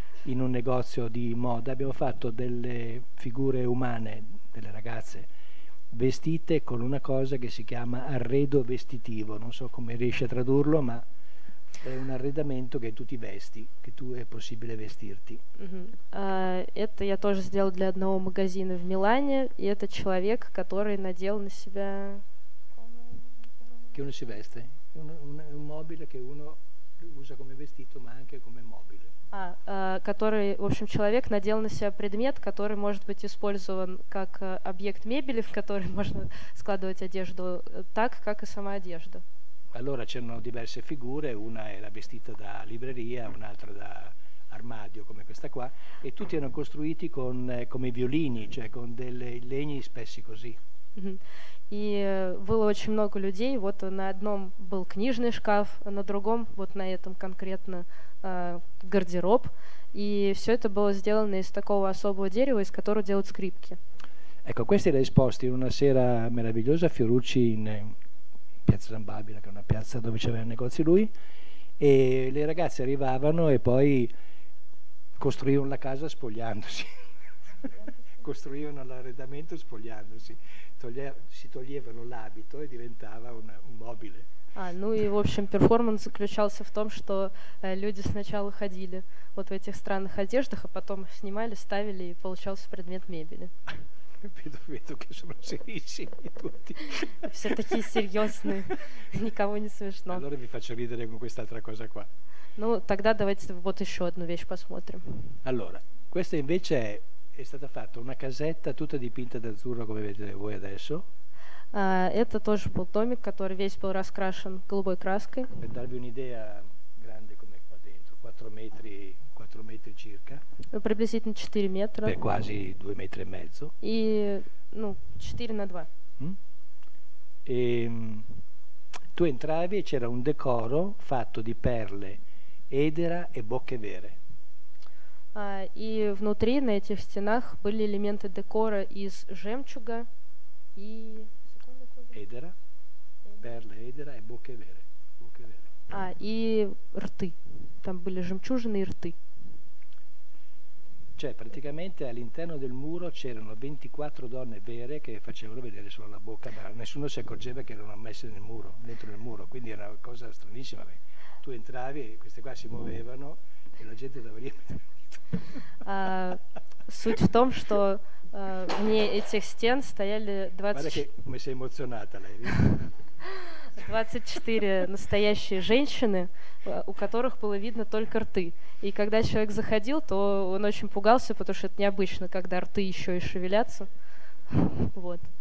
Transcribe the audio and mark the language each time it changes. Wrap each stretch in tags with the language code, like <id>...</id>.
<it>in un negozio di moda, abbiamo fatto delle figure umane, delle ragazze, vestite con una cosa che si chiama arredo vestitivo, non so come riesci a tradurlo, ma è un arredamento che tu ti vesti, che tu è possibile vestirti.</it> <ru>Это я тоже сделал для одного магазина в Милане, и это человек, который надел на себя...</ru> <it>Che uno si veste, un mobile che uno usa come vestito, ma anche come mobile.</it> <ru>Который, в общем, человек надел на себя предмет, который может быть использован как объект мебели, в который можно складывать одежду так, как и сама одежда.</ru> <it>Allora c'erano diverse figure, una era vestita da libreria, un'altra da armadio come questa qua, e tutti erano costruiti con, come violini, cioè con dei legni spessi così.</it> <ru>И было очень много людей. Вот на одном был книжный шкаф, а на другом, вот на этом конкретно, гардероб. И все это было сделано из такого особого дерева, из которого делают скрипки.</ru> <it>Ecco, questi erano esposti in una sera meravigliosa a Fiorucci, in Piazza San Babila, che è una piazza dove c'aveva negozi lui, e le ragazze arrivavano e poi costruivano la casa spogliandosi. Costruivano l'arredamento spogliandosi. Si toglievano l'abito e diventava un mobile.</it> <ru>Ну и в общем перформанс заключался в том, что люди сначала ходили вот в этих странных одеждах, а потом снимали, ставили и получался предмет мебели.</ru> <it>Vedo che sono serissimi tutti.</it> <ru>Все такие серьезные, никому не смешно.</ru> <it>Allora vi faccio ridere con quest'altra cosa qua.</it> <ru>Ну тогда давайте вот еще одну вещь посмотрим.</ru> <it>Allora, questa invece è stata fatta una casetta tutta dipinta d'azzurro come vedete voi adesso.</it> <ru>Это тоже был домик, который весь был раскрашен голубой краской.</ru> <it>Per darvi un'idea, grande come qua dentro, 4 metri circa.</it> <ru>Приблизительно 4 метра.</ru> <it>Per quasi 2,5 metri.</it> <ru>И, ну, 4 на 2.</ru> <it>E tu entravi e c'era un decoro fatto di perle, edera e bocche vere.</it> <ru>И внутри на этих стенах были элементы декора из жемчуга и</ru> <it>эдера, перла эдера и бокке вере.</it> <ru>И рты. Там были жемчужины и рты.</ru> <it>Cioè, praticamente all'interno del muro c'erano 24 donne vere che facevano vedere solo la bocca, ma nessuno si accorgeva che erano messe nel muro, dentro il muro, quindi era una cosa stranissima. Tu entravi e queste qua si muovevano e la gente doveva rimettere.</it> <ru>Суть в том, что вне этих стен стояли 24 настоящие женщины, у которых было видно только рты. И когда человек заходил, то он очень пугался, потому что это необычно, когда рты еще и шевелятся. Вот.</ru>